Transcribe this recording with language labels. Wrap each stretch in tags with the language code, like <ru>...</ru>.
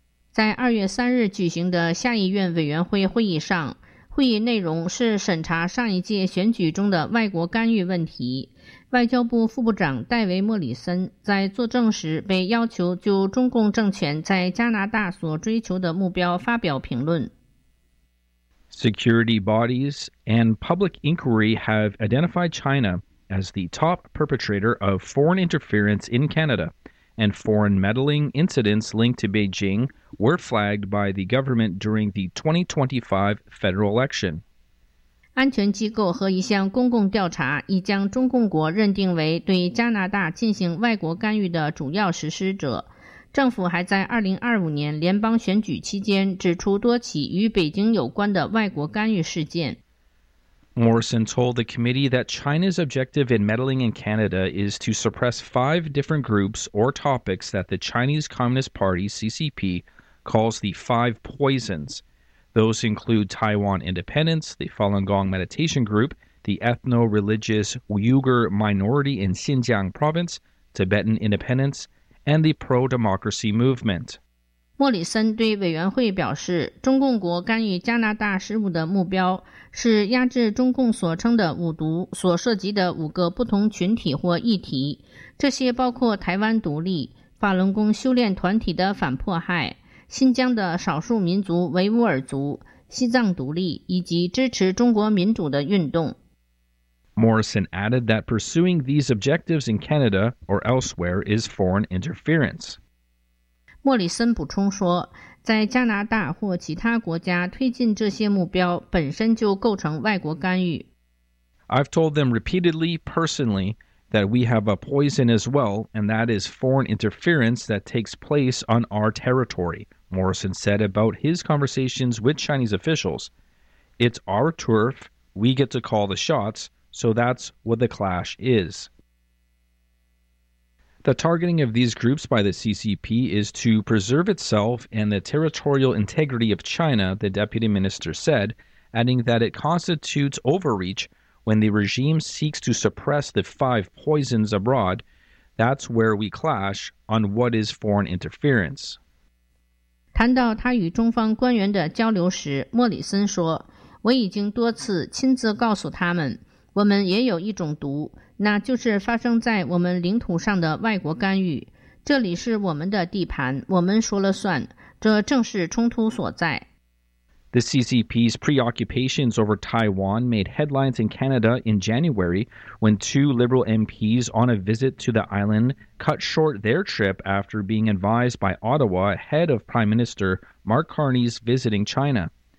<zh>在2月3日举行的下议院委员会会议上，会议内容是审查上一届选举中的外国干预问题。外交部副部长戴维·莫里森在作证时被要求就中共政权在加拿大所追求的目标发表评论。</zh> <en>Security bodies and public inquiry have identified China as the top perpetrator of foreign interference in Canada, and foreign meddling incidents linked to Beijing were flagged by the government during the 2025 federal election.</en> <zh>安全机构和一项公共调查已将中共国认定为对加拿大进行外国干预的主要实施者。政府还在2025年联邦选举期间指出多起与北京有关的外国干预事件。</zh> <en>Morrison told the committee that China's objective in meddling in Canada is to suppress five different groups or topics that the Chinese Communist Party, CCP, calls the five poisons. Those include Taiwan independence, the Falun Gong meditation group, the ethno-religious Uyghur minority in Xinjiang province, Tibetan independence,and the pro-democracy movement.</en> <zh>莫里森对委员会表示，中共国干预加拿大事务的目标是压制中共所称的五毒所涉及的五个不同群体或议题，这些包括台湾独立、法轮功修炼团体的反迫害、新疆的少数民族维吾尔族、西藏独立以及支持中国民主的运动。</zh> <en>Morrison added that pursuing these objectives in Canada or elsewhere is foreign interference.</en> <zh>莫里森补充说，在加拿大或其他国家推进这些目标本身就构成外国干预。</zh> <en>I've told them repeatedly, personally, that we have a poison as well, and that is foreign interference that takes place on our territory, Morrison said about his conversations with Chinese officials. It's our turf, we get to call the shots,So that's what the clash is. The targeting of these groups by the CCP is to preserve itself and the territorial integrity of China, the deputy minister said, adding that it constitutes overreach when the regime seeks to suppress the five poisons abroad. That's where we clash on what is foreign interference.</en> <zh>谈到他与中方官员的交流时，莫里森说，我已经多次亲自告诉他们我们也有一种毒，那就是发生在我们领土上的外国干预。这里是我们的地盘，我们说了算，这正是冲突所在。</zh> <en>The CCP's preoccupations over Taiwan made headlines in Canada in January when two Liberal MPs on a visit to the island cut short their trip after being advised by Ottawa ahead of Prime Minister Mark Carney's visiting China.</en>